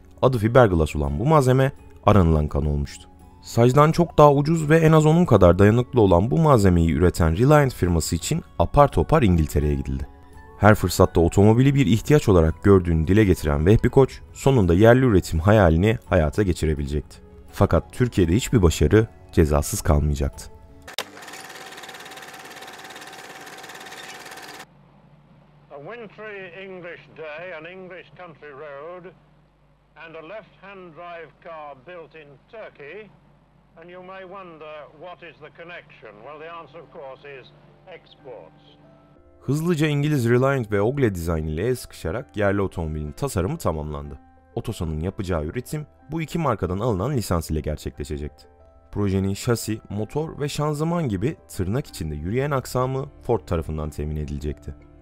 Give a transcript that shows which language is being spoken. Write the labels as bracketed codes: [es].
[tr] Adı fiberglass olan bu malzeme, aranılan kan olmuştu. Sacdan çok daha ucuz ve en az onun kadar dayanıklı olan bu malzemeyi üreten Reliant firması için apar topar İngiltere'ye gidildi. Her fırsatta otomobili bir ihtiyaç olarak gördüğünü dile getiren Vehbi Koç, sonunda yerli üretim hayalini hayata geçirebilecekti. Fakat Türkiye'de hiçbir başarı cezasız kalmayacaktı. [en] A wintry English day, an English country road, and a left-hand drive car built in Turkey. And you may wonder what is the connection? Well, the answer of course is exports. [tr] Hızlıca İngiliz Reliant ve Ogle dizayn ile el sıkışarak yerli otomobilin tasarımı tamamlandı. Otosan'ın yapacağı üretim bu iki markadan alınan lisans ile gerçekleşecekti. Projenin şasi, motor ve şanzıman gibi tırnak içinde yürüyen aksamı Ford tarafından temin edilecekti.